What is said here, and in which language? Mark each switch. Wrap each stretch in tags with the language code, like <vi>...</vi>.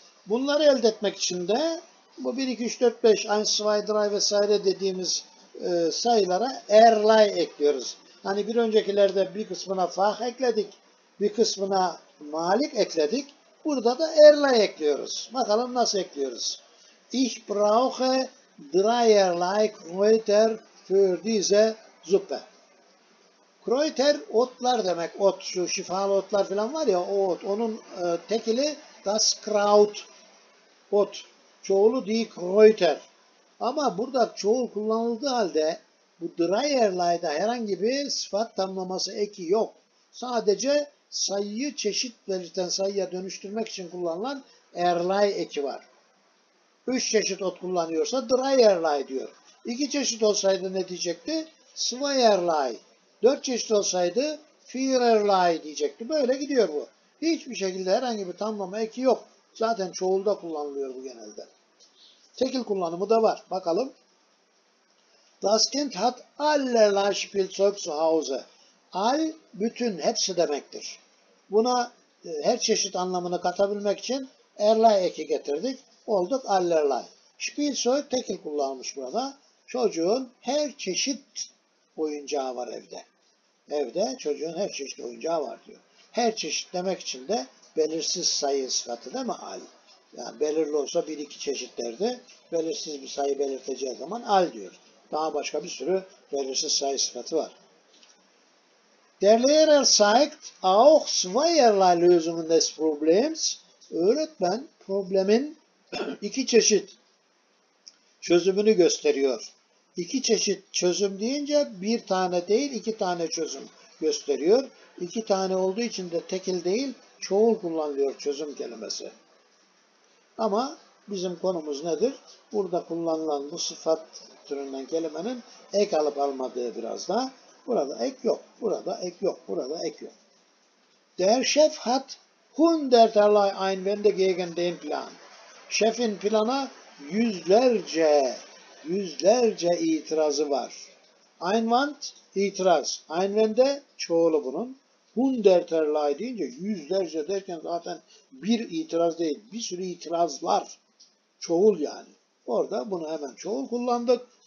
<tr>Bunları elde etmek için de bu 1, 2, 3, 4, 5, 1, 2, 3, 4, vesaire dediğimiz sayılara erlay ekliyoruz. Hani bir öncekilerde bir kısmına fah ekledik, bir kısmına malik ekledik. Burada da erlay ekliyoruz. Bakalım nasıl ekliyoruz.</tr> <de>Ich brauche dreierlike Kräuter für diese Suppe.</de> <tr>Kräuter otlar demek. Ot, şu şifalı otlar falan var ja, o ot. Onun tekili das Kraut. Ot. Çoğulu die Kräuter. Ama burada çoğul kullanıldığı halde bu Dreierlei'da herhangi bir sıfat tamlaması eki yok. Sadece sayıyı çeşit belirten sayıya dönüştürmek için kullanılan Erlei eki var. Üç çeşit ot kullanıyorsa Dreierlei diyor. İki çeşit olsaydı ne diyecekti? Zweierlei. Dört çeşit olsaydı Viererlei diyecekti. Böyle gidiyor bu. Hiçbir şekilde herhangi bir tamlama eki yok. Zaten çoğulda kullanılıyor bu genelde. Tekil kullanımı da var. Bakalım.</tr> <de>Das Kind hat allerlei Spielzeug zu Hause.</de> <tr>All, bütün, hepsi demektir. Buna her çeşit anlamını katabilmek için erlei eki getirdik. Olduk allerlei. Spielzeug tekil kullanmış burada. Çocuğun her çeşit oyuncağı var evde. Evde çocuğun her çeşit oyuncağı var diyor. Her çeşit demek için de belirsiz sayı sıfatı değil mi al? Yani belirli olsa bir iki çeşit derdi. Belirsiz bir sayı belirteceği zaman al diyor. Daha başka bir sürü belirsiz sayı sıfatı var.</tr> <de>Der Lehrer zeigt auch zweierlei Lösungen des Problems.</de> <tr>Öğretmen problemin iki çeşit çözümünü gösteriyor. İki çeşit çözüm deyince bir tane değil iki tane çözüm gösteriyor. İki tane olduğu için de tekil değil çoğul kullanılıyor çözüm kelimesi. Ama bizim konumuz nedir? Burada kullanılan bu sıfat türünden kelimenin ek alıp almadığı biraz da. Burada ek yok. Burada ek yok. Burada ek yok.</tr> <de>Der Chef hat hunderterlei einwände gegen den Plan.</de> <tr>Şefin plana yüzlerce itirazı var. Einwand itiraz. Einwände çoğulu bunun. Hunderterlei deyince yüzlerce derken zaten bir itiraz değil. Bir sürü itirazlar. Çoğul yani. Orada bunu hemen çoğul kullandık.</tr>